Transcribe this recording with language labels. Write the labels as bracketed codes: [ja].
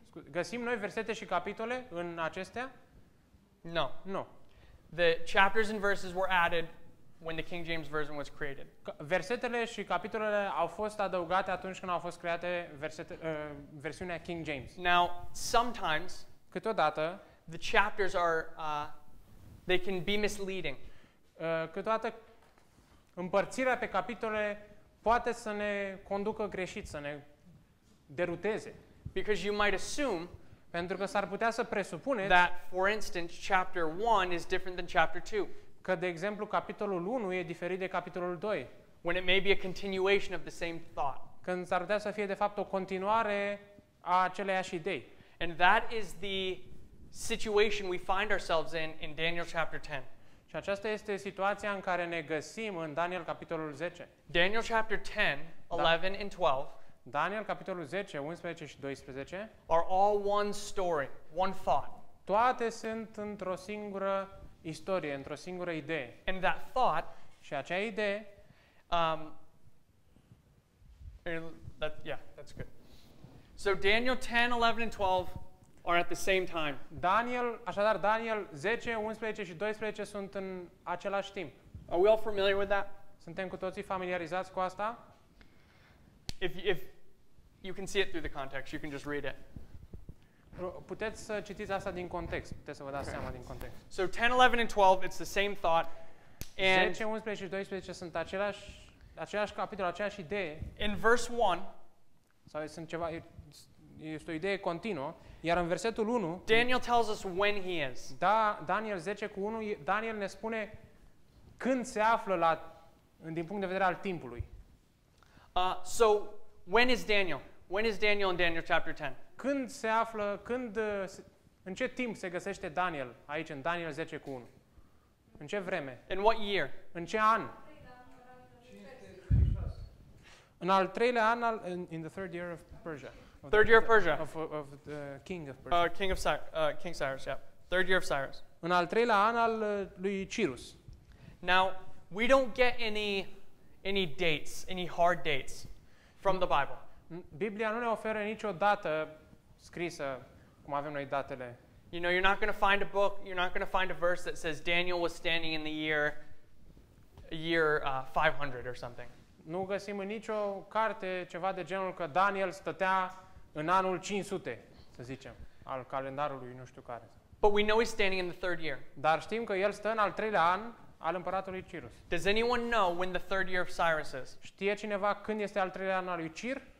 [ro] Găsim noi versete și capitole în acestea? [en] No. No. The chapters and verses were added when the King James Version was created. [ro] Versetele și capitolele au fost adăugate atunci când au fost create versiunea King James. [en] Now, sometimes, [ro] câteodată, [en] the chapters are, they can be misleading. [ro] Câteodată, împărțirea pe capitole poate să ne conducă greșit, să ne deruteze. [en] Because you might assume, [ro] pentru că s-ar putea să presupuneți, [en] that, for instance, chapter 1 is different than chapter 2. [ro] Că, de exemplu, capitolul 1 e diferit de capitolul 2. [en] When it may be a continuation of the same thought. [ro] Când s-ar putea să fie, de fapt, o continuare a aceleiași idei. [en] And that is the situation we find ourselves in Daniel chapter 10. [ro] Și aceasta este situația în care ne găsim în Daniel capitolul 10. [en] Daniel chapter 10, 11 and 12. [ro] Daniel capitolul 10, 11 și 12. [en] Are all one story, one thought. [ro] Toate sunt într-o singură istorie, într-o singură idee. [en] And that thought, [ro] și acea idee, [en] that's good. So Daniel 10, 11 and 12 are at the same time. [ro] Daniel, așadar Daniel 10, 11 și 12 sunt în același timp. [en] Are we all familiar with that? [ro] Suntem cu toții familiarizați cu asta? [en] If you can see it through the context, you can just read it. [ro] Puteți să citiți asta din context. Puteți să vă dați seama din context. [en] So 10, 11 and 12, it's the same thought. [ro] And 10, 11 și 12 sunt același capitol, aceeași idee. [en] In verse 1, [ro] sau sunt ceva, este o idee continuă. Iar în versetul 1, [en] Daniel tells us when he is. [ro] Da, Daniel 10 cu 1, Daniel ne spune când se află la din punct de vedere al timpului. [en] So when is Daniel? When is Daniel in Daniel chapter 10? [ro] Când se află, când în ce timp se găsește Daniel aici în Daniel 10 cu 1? În ce vreme? [en] In what year? [ro] În ce an? În al treilea an al [en] in the third year of Persia. Third year of Persia. Of the king of Persia. King Cyrus, yeah. Third year of Cyrus. [ro] În al treilea an al lui Cirus. [en] Now, we don't get any dates, any hard dates from the Bible. [ro] Biblia nu ne oferă nicio dată scrisă cum avem noi datele. [en] You know, you're not going to find a book, you're not going to find a verse that says Daniel was standing in the year 500 or something. [ro] Nu găsim în nicio carte ceva de genul că Daniel stătea în anul 500, să zicem, al calendarului, nu știu care. [en] But we know he's standing in the third year. [ro] Dar știm că el stă în al treilea an al împăratului Cirus. [en] Does anyone know when the third year of Cyrus is? [ro] Știe cineva când este al treilea an al lui Cir?